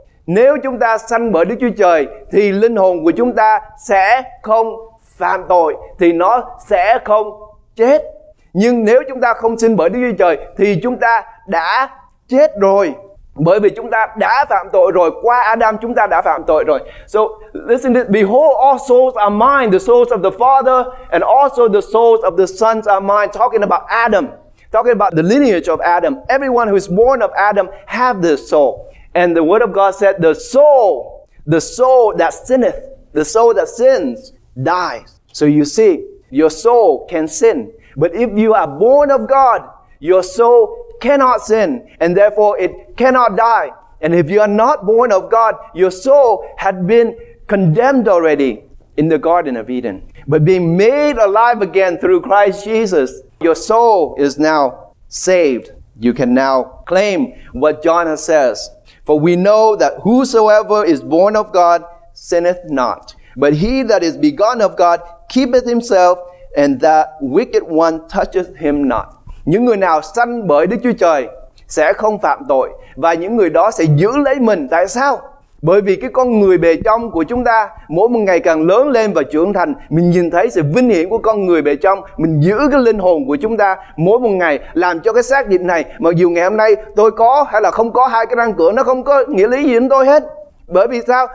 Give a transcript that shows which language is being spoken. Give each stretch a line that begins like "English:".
Vietnamese: Nếu chúng ta sanh bởi Đức Chúa Trời thì linh hồn của chúng ta sẽ không phạm tội, thì nó sẽ không chết. Nhưng nếu chúng ta không sinh bởi Đức Chúa Trời thì chúng ta đã chết rồi, bởi vì chúng ta đã phạm tội rồi. Qua Adam chúng ta đã phạm tội rồi.
English: So listen to this. Behold, all souls are mine, the souls of the Father and also the souls of the sons are mine. Talking about Adam, talking about the lineage of Adam. Everyone who is born of Adam have this soul. And the word of God said, the soul that sinneth, the soul that sins, dies. So you see, your soul can sin. But if you are born of God, your soul cannot sin, and therefore it cannot die. And if you are not born of God, your soul had been condemned already in the Garden of Eden. But being made alive again through Christ Jesus, your soul is now saved. You can now claim what John says. For we know that whosoever is born of God sinneth not, but he that is begotten of God keepeth himself, and that wicked one toucheth him not.
Vietnamese: Những người nào sanh bởi Đức Chúa Trời sẽ không phạm tội, và những người đó sẽ giữ lấy mình. Tại sao? Bởi vì cái con người bề trong của chúng ta mỗi một ngày càng lớn lên và trưởng thành, mình nhìn thấy sự vinh hiển của con người bề trong, mình giữ cái linh hồn của chúng ta mỗi một ngày, làm cho cái xác thịt này, mặc dù ngày hôm nay tôi có hay là không có hai cái răng cửa, nó không có nghĩa lý gì đến tôi hết. Bởi vì sao?